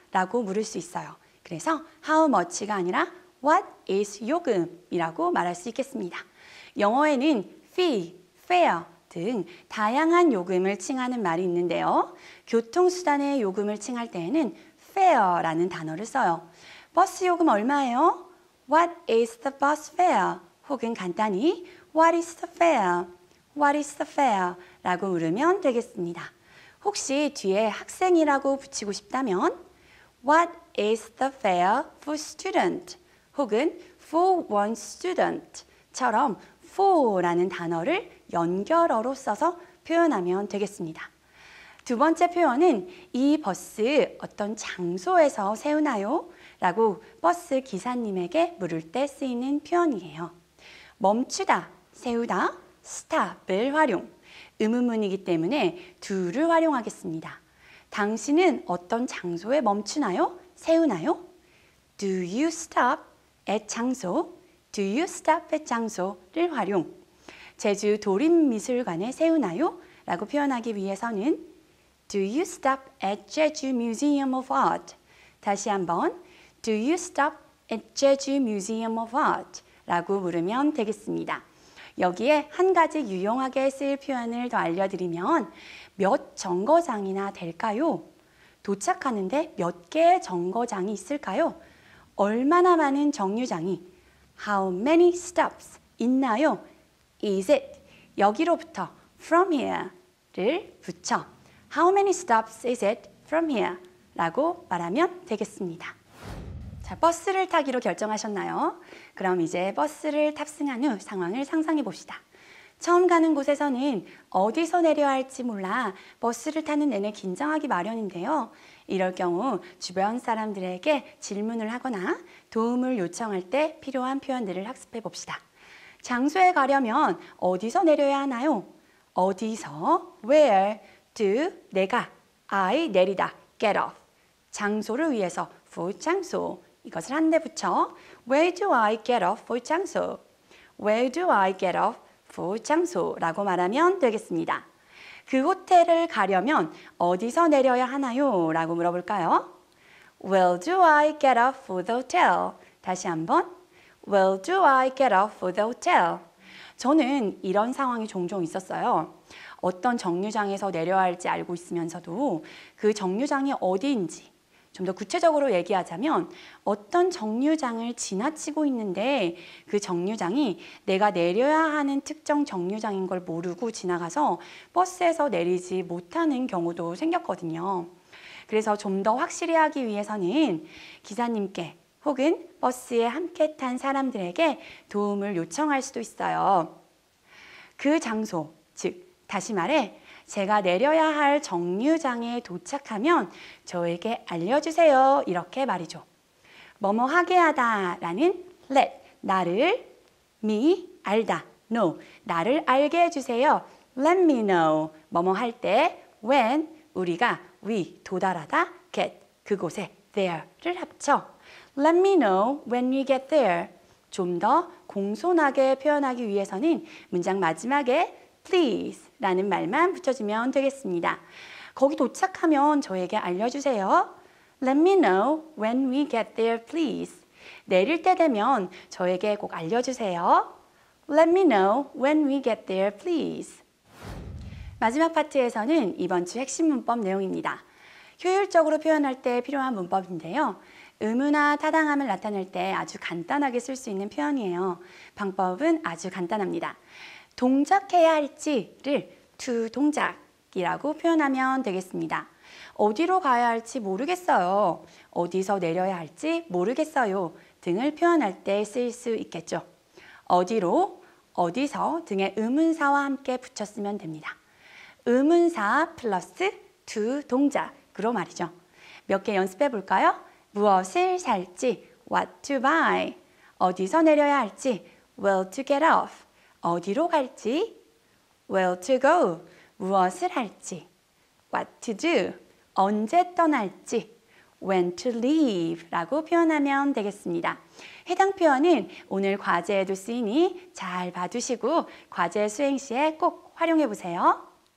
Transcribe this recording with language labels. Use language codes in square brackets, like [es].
[ko] 라고 물을 수 있어요. 그래서 [en] how much [ko] 가 아니라 [en] what is [ko] 요금이라고 말할 수 있겠습니다. 영어에는 fee, fare 등 다양한 요금을 칭하는 말이 있는데요. 교통수단의 요금을 칭할 때에는 fare라는 단어를 써요. 버스 요금 얼마예요? [en] What is the bus fare? [ko] 혹은 간단히 [en] What is the fare? What is the fare? [ko] 라고 물으면 되겠습니다. 혹시 뒤에 학생이라고 붙이고 싶다면 [en] What is the fare for student? [ko] 혹은 for one student처럼 for라는 단어를 연결어로 써서 표현하면 되겠습니다. 두 번째 표현은 이 버스 어떤 장소에서 세우나요? 라고 버스 기사님에게 물을 때 쓰이는 표현이에요. 멈추다, 세우다, stop을 활용. 의문문이기 때문에 do를 활용하겠습니다. 당신은 어떤 장소에 멈추나요? 세우나요? [en] Do you stop at 장소? Do you stop at 장소를 활용. [ko] 제주 도림미술관에 세우나요? 라고 표현하기 위해서는 [en] Do you stop at Jeju Museum of Art? [ko] 다시 한번 [en] Do you stop at Jeju Museum of Art? [ko] 라고 물으면 되겠습니다. 여기에 한 가지 유용하게 쓸 표현을 더 알려드리면 몇 정거장이나 될까요? 도착하는데 몇 개의 정거장이 있을까요? 얼마나 많은 정류장이 [en] How many stops [ko] 있나요? [en] Is it? [ko] 여기로부터 [en] from here를 붙여 How many stops is it from here? [ko] 라고 말하면 되겠습니다. 자, 버스를 타기로 결정하셨나요? 그럼 이제 버스를 탑승한 후 상황을 상상해 봅시다. 처음 가는 곳에서는 어디서 내려야 할지 몰라 버스를 타는 내내 긴장하기 마련인데요. 이럴 경우 주변 사람들에게 질문을 하거나 도움을 요청할 때 필요한 표현들을 학습해 봅시다. 장소에 가려면 어디서 내려야 하나요? 어디서, where, do, 내가, I, 내리다, get off. 장소를 위해서, for 장소. 이것을 한 대 붙여 [en] Where do I get off for 장소? Where do I get off for 장소? [ko] 라고 말하면 되겠습니다. 그 호텔을 가려면 어디서 내려야 하나요? 라고 물어볼까요? [en] Where do I get off for the hotel? [ko] 다시 한번 [en] Where do I get off for the hotel? [ko] 저는 이런 상황이 종종 있었어요. 어떤 정류장에서 내려야 할지 알고 있으면서도 그 정류장이 어디인지 좀 더 구체적으로 얘기하자면 어떤 정류장을 지나치고 있는데 그 정류장이 내가 내려야 하는 특정 정류장인 걸 모르고 지나가서 버스에서 내리지 못하는 경우도 생겼거든요. 그래서 좀 더 확실히 하기 위해서는 기사님께 혹은 버스에 함께 탄 사람들에게 도움을 요청할 수도 있어요. 그 장소, 즉 다시 말해 제가 내려야 할 정류장에 도착하면 저에게 알려주세요. 이렇게 말이죠. 뭐뭐 하게 하다 라는 let, 나를, me, 알다, know, 나를 알게 해주세요. [en] Let me know. [ko] 뭐뭐 할 때, when, 우리가 we, 도달하다, get, 그곳에, there를 합쳐. [en] Let me know when we get there. [ko] 좀 더 공손하게 표현하기 위해서는 문장 마지막에 please 라는 말만 붙여주면 되겠습니다. 거기 도착하면 저에게 알려주세요. [en] Let me know when we get there, please. [ko] 내릴 때 되면 저에게 꼭 알려주세요. [en] Let me know when we get there, please. [ko] 마지막 파트에서는 이번 주 핵심 문법 내용입니다. 효율적으로 표현할 때 필요한 문법인데요. 의무나 타당함을 나타낼 때 아주 간단하게 쓸 수 있는 표현이에요. 방법은 아주 간단합니다. 동작해야 할지를 to 동작이라고 표현하면 되겠습니다. 어디로 가야 할지 모르겠어요. 어디서 내려야 할지 모르겠어요. 등을 표현할 때 쓰일 수 있겠죠. 어디로, 어디서 등의 의문사와 함께 붙였으면 됩니다. 의문사 플러스 to 동작으로 말이죠. 몇 개 연습해 볼까요? 무엇을 살지, [en] what to buy. [ko] 어디서 내려야 할지, [en] where to get off. [ko] 어디로 갈지, [en] where to go. [ko] 무엇을 할지, [en] what to do. [ko] 언제 떠날지, [en] when to leave [ko] 라고 표현하면 되겠습니다. 해당 표현은 오늘 과제에도 쓰이니 잘 봐두시고 과제 수행 시에 꼭 활용해 보세요.